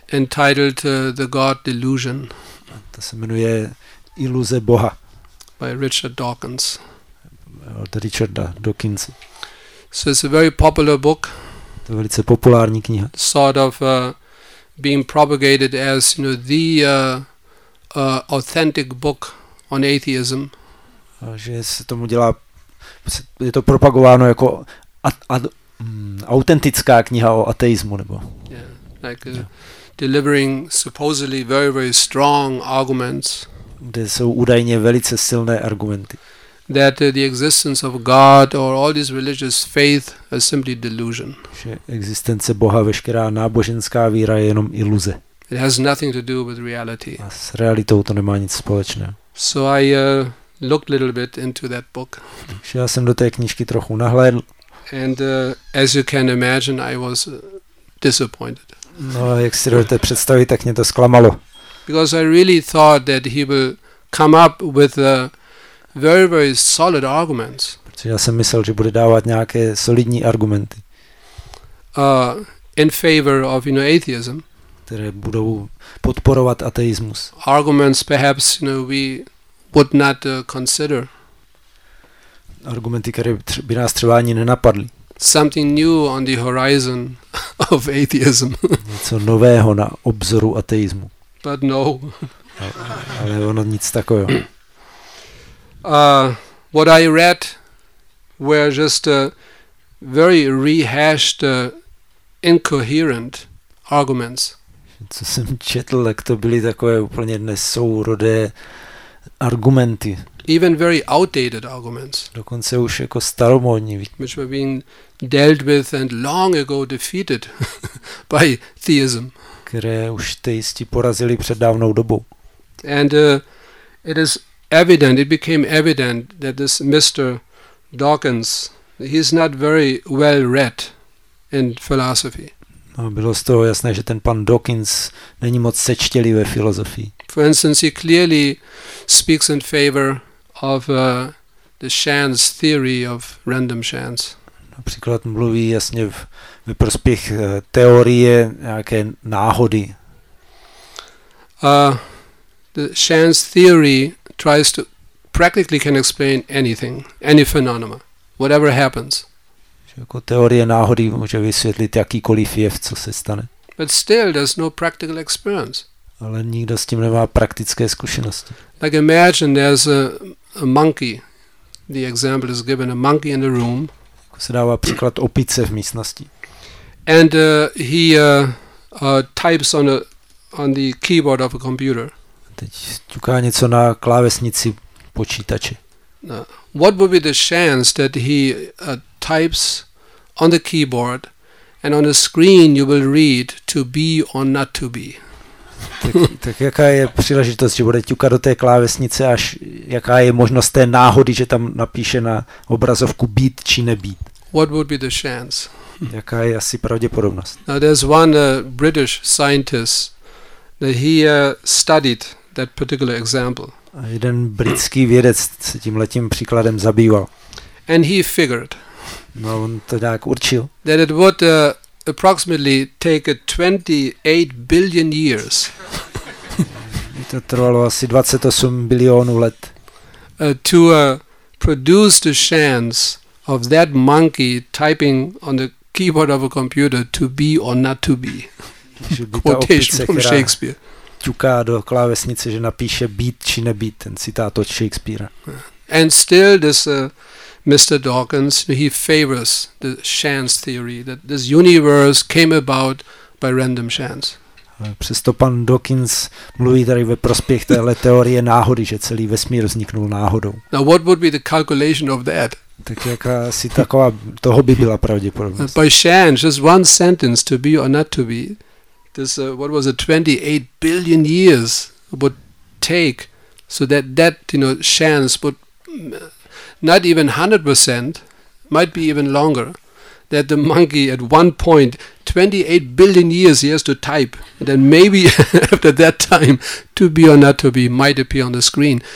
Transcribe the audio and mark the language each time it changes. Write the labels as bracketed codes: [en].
[en] Entitled The God Delusion. [cs] To se jmenuje Iluze Boha. [en] By Richard Dawkins. [cs] Od Richarda Dawkins. [en] So it's a very popular book. [cs] To je velice populární kniha. [en] Sort of being propagated as, you know, the authentic book on atheism. [cs] A že se tomu dělá, je to propagováno jako autentická kniha o ateismu, nebo. [en] Yeah, like delivering supposedly very, very strong arguments. [cs] Kde jsou údajně velice silné argumenty. [en] That the existence of God or all these religious faith is simply delusion. [cs] Že existence Boha, veškerá náboženská víra je jenom iluze. [en] It has nothing to do with reality. [cs] A s realitou to nemá nic společného. [en] So I looked a little bit into that book. [cs] Takže já jsem do té knížky trochu nahlédl. [en] And as you can imagine, I was disappointed. [cs] No, jak si dovolte představit, tak mě to zklamalo. [en] Because I really thought that he will come up with very, very solid arguments. [cs] Protože já jsem myslel, že bude dávat nějaké solidní argumenty. [en] In favor of, you know, atheism. [cs] Které budou podporovat ateismus. [en] Arguments perhaps, you know, we would not consider. [cs] Argumenty, které by nás třeba ani nenapadly. [en] something new on the horizon of atheism. [cs] Něco nového na obzoru ateismu. [en] But no. [cs] Ale ono nic takového. [en] What I read were just a very rehashed incoherent arguments. [cs] Co jsem četl, tak to byly takové úplně nesourodé argumenty. [en] Even very outdated arguments. [cs] Dokonce už jako staromodní. [en] Which were being dealt with and long ago defeated by theism. [cs] Které už teisti porazili před dávnou dobou. [en] And it is evident, it became evident that this Mr. Dawkins, he's not very well read in philosophy. [cs] A bylo z toho jasné, že ten pan Dawkins není moc sečtělý ve filozofii. [en] For instance, he clearly speaks in favor of the chance theory of random chance. [cs] Například mluví jasně ve prospěch teorie nějaké náhody. [en] The chance theory tries to practically can explain anything, any phenomena, whatever happens. [cs] Jako teorie náhody může vysvětlit jakýkoliv jev, co se stane. [en] But still, there's no practical experience. [cs] Ale nikdo s tím nemá praktické zkušenosti. [en] Like imagine there's a monkey. The example is given, a monkey in the room. [cs] Jako se dává příklad opice v místnosti. [en] And he types on the keyboard of a computer. [cs] Teď ťuká něco na klávesnici počítače. [en] What would be the chance that he types on the keyboard and on the screen you will read to be or not to be? [cs] Tak jaká je příležitost, že bude ťukat do té klávesnice, až jaká je možnost té náhody, že tam napíše na obrazovku být či nebýt? [en] What would be the chance? [cs] Jaká je asi pravděpodobnost? [en] Now there's one British scientist that he studied that particular example. [cs] A jeden britský vědec se tímhletím příkladem zabýval. [en] And he figured. [cs] No, on to nějak určil. [en] That it would approximately take 28 billion years. [cs] To trvalo asi 28 bilionů let. [en] To produce the chance of that monkey typing on the keyboard of a computer to be or not to be. Quotation from Shakespeare. [cs] Ťuká do klávesnice, že napíše být či nebýt, ten citát od Shakespeara. [en] And still this Mr. Dawkins, he favors the chance theory that this universe came about by random chance. [cs] Přesto pan Dawkins mluví tady ve prospěch téhle teorie náhody, že celý vesmír vzniknul náhodou. [en] Now what would be the calculation of that? [cs] Tak jaká asi taková, toho by byla pravděpodobnost. [en] By chance, just one sentence, to be or not to be, this what was it, 28 billion years would take, so that you know, chance would not even 100%, might be even longer, that the monkey at one point 28 billion years he has to type, and then maybe after that time to be or not to be might appear on the screen.